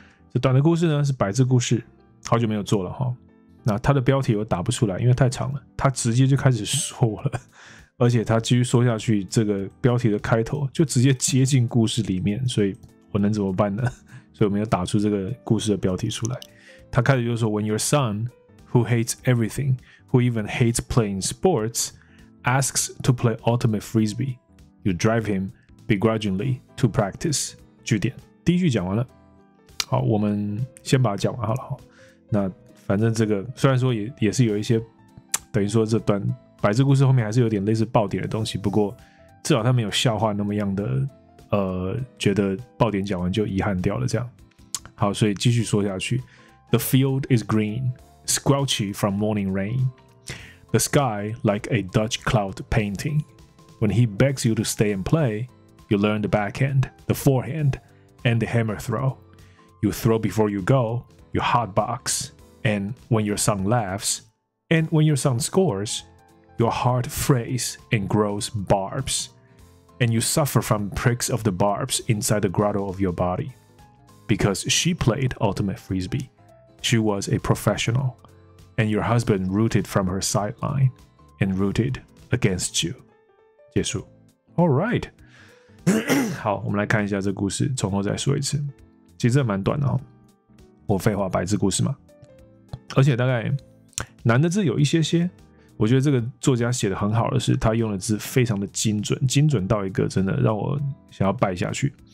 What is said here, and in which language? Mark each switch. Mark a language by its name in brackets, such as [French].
[Chinese] 这短的故事呢是百字故事，好久没有做了哈。那它的标题我打不出来，因为太长了，它直接就开始说了，而且它继续说下去，这个标题的开头就直接接近故事里面，所以我能怎么办呢？所以我没有打出这个故事的标题出来。他开始就说 [English] When your son, who hates everything, who even hates playing sports, asks to play ultimate frisbee, you drive him begrudgingly to practice. [Chinese] 句点，第一句讲完了。好，我们先把它讲完好了。那反正这个虽然说 也是有一些等于说这段百字故事后面还是有点类似爆点的东西，不过至少他没有笑话那么样的觉得爆点讲完就遗憾掉了这样。好，所以继续说下去。 [English] The field is green, squelchy from morning rain. The sky like a Dutch cloud painting. When he begs you to stay and play, you learn the backhand, the forehand, and the hammer throw. You throw before you go, you hotbox, and when your son laughs, and when your son scores, your heart frays and grows barbs, and you suffer from pricks of the barbs inside the grotto of your body. Because she played ultimate frisbee. She was a professional, and your husband rooted from her sideline and rooted against you. [Chinese] 结束。 [English] All right. [Chinese] 好，我们来看一下这故事，从头再说一次。其实蛮短的哦。我废话，百字故事嘛。而且大概难的字有一些些。我觉得这个作家写的很好的是，他用的字非常的精准，精准到一个真的让我想要拜下去。